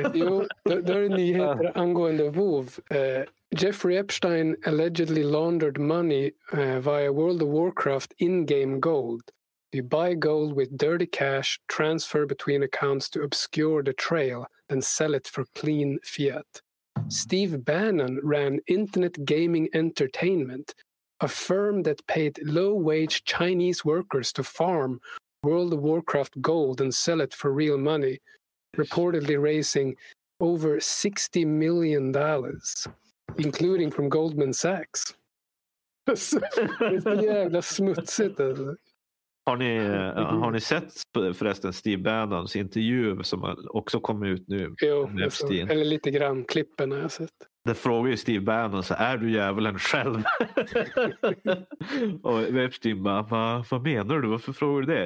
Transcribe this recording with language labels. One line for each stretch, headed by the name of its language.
Swedish: Jo, då är det nyheter angående WoW.
English: Jeffrey Epstein allegedly laundered money via World of Warcraft in-game gold. You buy gold with dirty cash, transfer between accounts to obscure the trail, then sell it for clean fiat. Steve Bannon ran Internet Gaming Entertainment, a firm that paid low-wage Chinese workers to farm World of Warcraft gold and sell it for real money, reportedly raising over $60 million, including from Goldman Sachs.
Swedish: Det är jävla smutsigt. Har ni sett förresten Steve Bannons intervju som också kom ut nu? Jo, eller lite grann klippen har jag sett. Det frågar ju Steve Bannon, så är du djävulen själv? Och Epstein bara, vad menar du? Varför frågar du det?